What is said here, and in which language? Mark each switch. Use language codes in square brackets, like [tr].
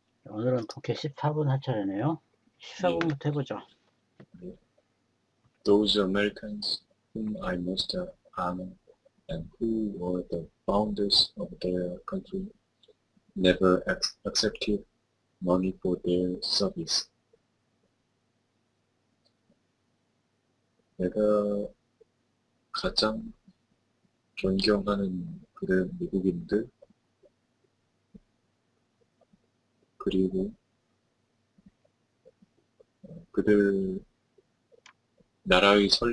[ko] 오늘은 국회 14분 하차되네요. 예. 14분부터 해보죠. [en] Those Americans whom I most honor and who were the founders of their country never accepted money for their service. [ko] 내가 가장 존경하는 그들 미국인들, 그리고 그들 나라의